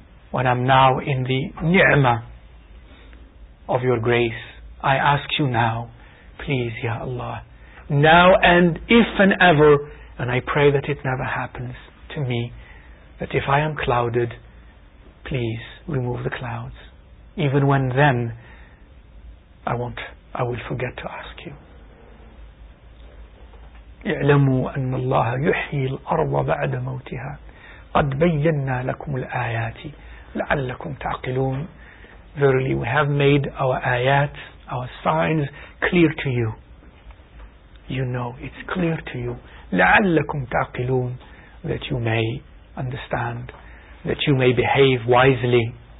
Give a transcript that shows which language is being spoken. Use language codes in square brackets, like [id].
[en] When I'm now in the ni'mah of your grace, I ask you now, please, Ya Allah, now and if and ever, and I pray that it never happens to me, that if I am clouded, please remove the clouds. Even when then, I will forget to ask you. [ar] اعلموا أن الله يحيي الأرض بعد موتها قد بينا لكم الآيات لعلكم تعقلون. [en] Verily we have made our ayat, our signs clear to you. You know, it's clear to you. [ar] لعلكم تعقلون, [en] that you may understand, that you may behave wisely.